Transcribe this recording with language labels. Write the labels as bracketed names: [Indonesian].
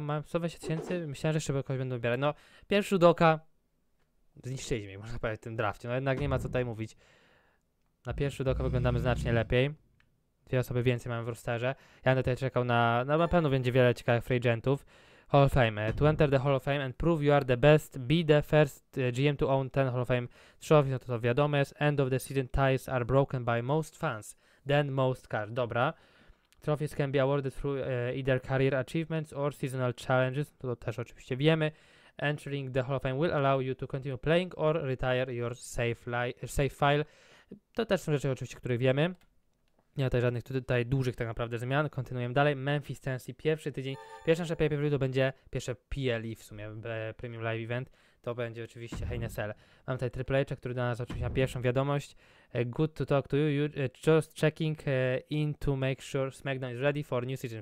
[Polish] Mam 120 tysięcy, myślałem, że jeszcze kogoś będą wybierać. No, pierwszy rzut oka zniszczyliśmy, można powiedzieć, w tym drafcie. No jednak nie ma co tutaj mówić. Na pierwszy rzut oka wyglądamy znacznie lepiej. Dwie osoby więcej mamy w rosterze. Ja będę tutaj czekał na pewno będzie wiele ciekawych free agentów. [English] Hall of Fame. To enter the Hall of Fame and prove you are the best, be the first GM to own 10 Hall of Fame trophies. [Polish] No to wiadomo jest. [English] End of the season ties are broken by most fans, then most cars. Dobra. Trophies can be awarded through either career achievements or seasonal challenges. [Polish] To też oczywiście wiemy. [English] Entering the Hall of Fame will allow you to continue playing or retire your save file. [Polish] To też są rzeczy oczywiście, które wiemy. Nie ma tutaj żadnych tutaj dużych tak naprawdę zmian. Kontynuujemy dalej. Memphis, Tennessee, pierwszy tydzień. Pierwsze nasze pay-per-view to będzie pierwsze PLE w sumie, Premium Live Event. To będzie oczywiście Hell in a Cell. Mam tutaj Triple H, który dla nas oczywiście ma pierwszą wiadomość. [English] Good to talk to you. Just checking in to make sure SmackDown is ready for new season.